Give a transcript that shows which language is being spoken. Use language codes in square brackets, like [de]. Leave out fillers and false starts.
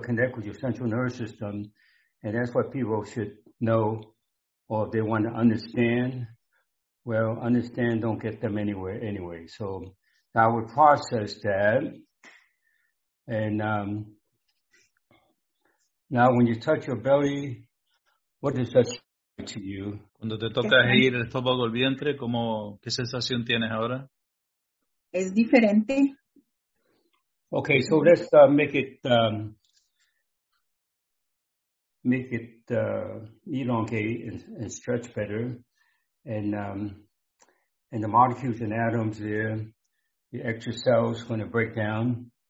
[en] I connect with your central nervous system, and that's what people should know, or if they want to understand, well, understand don't get them anywhere anyway. So I would process that. And now when you touch your belly, what does that say to you? [es] Cuando te toca ir el estómago al vientre, ¿cómo, qué sensación tienes ahora? Es diferente. [en] Okay, so let's make it elongate and stretch better, and the molecules and atoms there, the extra cells going to break down